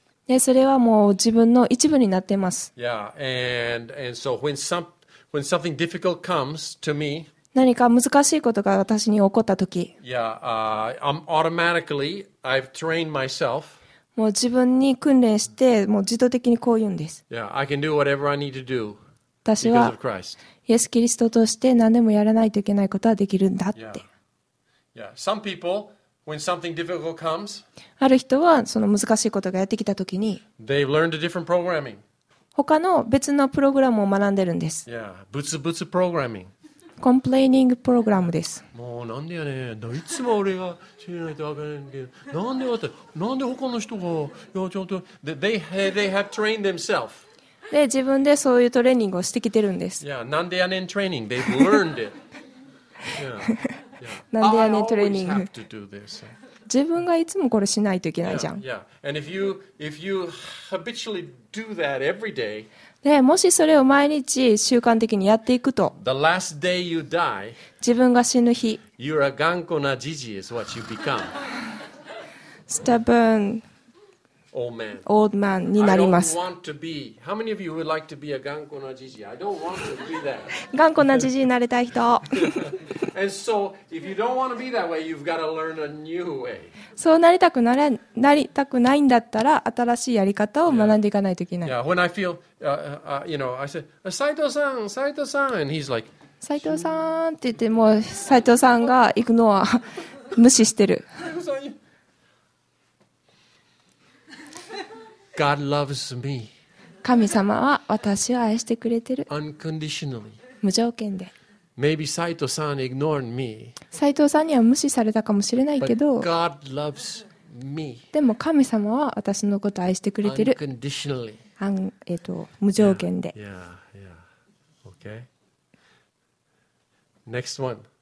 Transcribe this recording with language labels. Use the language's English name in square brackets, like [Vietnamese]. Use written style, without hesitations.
[Japanese] で、それはもう自分の一部になっています。 Yeah. [English] And so when something difficult comes to me, [Japanese] 何か難しいことが私に起こったとき、 yeah. [English] Automatically, I've trained myself. [Japanese] もう自分に訓練して、もう自動的にこう言うんです。 Yeah. [English] I can do whatever I need to do. [Japanese] 私はイエス・キリストとして何でもやらないといけないことはできるんだって。 [English] Yeah. Yeah. Some people, When something difficult comes, [Japanese] ある人はその難しいことがやってきたときに、 [English] they've learned a different programming. [Japanese] 他の別のプログラムを学んでるんです。 Yeah, ブツブツプログラミング。コンプレーニングプログラムです。もうなんでやねん。いつも俺が知らないとわからないけど、なんで私、なんで他の人が、いやちょっと、 [English] they have trained themselves. [Japanese] で自分でそういうトレーニングをしてきてるんです。いや、なんでやねんトレーニング。 [English] They've learned it. [Japanese] なんでやねんトレーニング。 [English] I always have to do this. [Japanese] 自分がいつもこれしないといけないじゃん。 [English] Yeah, yeah. And if you habitually do that every day, [Japanese] でもしそれを毎日習慣的にやっていくと、 [English] the last day you die, [Japanese] 自分が死ぬ日、 [English] you're a [Japanese] 頑固なジジイ [English] is what you become. Stubborn. Old man. Old man [Japanese] になります。 [English] I don't want to be. How many of you would like to be a [Japanese] 頑固なじじい? [English] I don't want to be that. [Japanese] 頑固なじじいになりたい人。 [English] And so, if you don't want to be that way, you've got to learn a new way. [Japanese] そうなりたくない、なりたくないんだったら、新しいやり方を学んでいかないといけない。 [English] Yeah, when I feel, you know, I said, 斉藤さん、斉藤さん、and he's like, [Japanese] 斉藤さんって言って、もう斉藤さんが行くのは無視してる。 [English] God loves me. [Japanese] 神様は私を愛してくれてる。 [English] Unconditionally. [Japanese] 無条件で。 [English] Maybe Saito-san ignored me. [Japanese] 斉藤さんには無視されたかもしれないけど。 [English] But God loves me. [Japanese] でも神様は私のことを愛してくれてる。 [English] Unconditionally. [Japanese] 無条件で。 Yeah, yeah, yeah. Okay. [English] Next one.